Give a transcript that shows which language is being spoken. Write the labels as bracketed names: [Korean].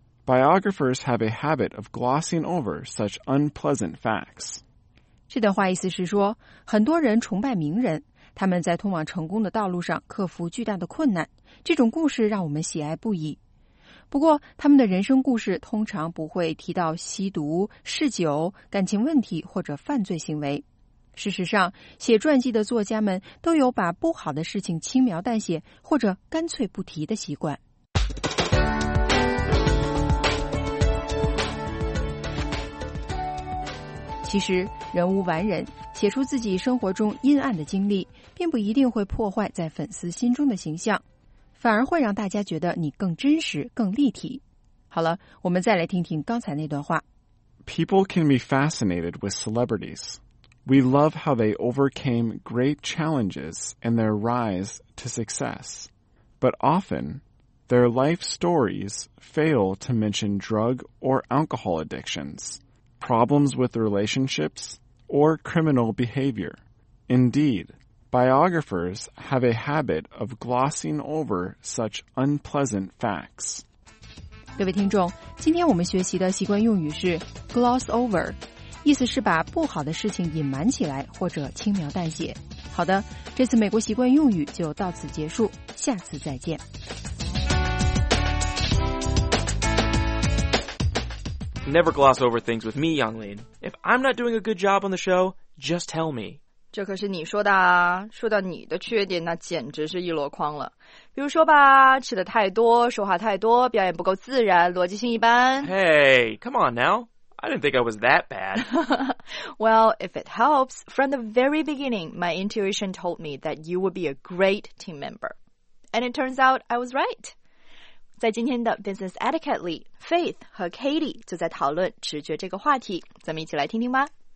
[English] Biographers have a habit of glossing over such unpleasant facts. [Chinese] 这段话意思是说，很多人崇拜名人，他们在通往成功的道路上克服巨大的困难，这种故事让我们喜爱不已。不过，他们的人生故事通常不会提到吸毒、嗜酒、感情问题或者犯罪行为。事实上，写传记的作家们都有把不好的事情轻描淡写或者干脆不提的习惯。其实，人无完人，写出自己生活中阴暗的经历，并不一定会破坏在粉丝心中的形象，反而会让大家觉得你更真实、更立体。好了，我们再来听听刚才那段话。 [English] People can be fascinated with celebrities. We love how they overcame great challenges and their rise to success. But often, their life stories fail to mention drug or alcohol addictions. Problems with relationships, or criminal behavior. Indeed, biographers have a habit of glossing over such unpleasant facts. [Chinese] 各位听众，今天我们学习的习惯用语是 gloss over, 意思是把不好的事情隐瞒起来或者轻描淡写。好的，这次美国习惯用语就到此结束，下次再见。 [English] Never gloss over things with me, Yonglin. If I'm not doing a good job on the show, just tell me. [Chinese] 这可是你说的啊。说到你的缺点，那简直是一箩筐了。比如说吧，吃的太多，说话太多，表演不够自然，逻辑性一般。 [English] Hey, come on now. I didn't think I was that bad. Well, if it helps, from the very beginning, my intuition told me that you would be a great team member. And it turns out I was right. [Chinese] 在今天的 Business Etiquette 里 ,Faith 和 Katie 就在讨论直觉这个话题，咱们一起来听听吧。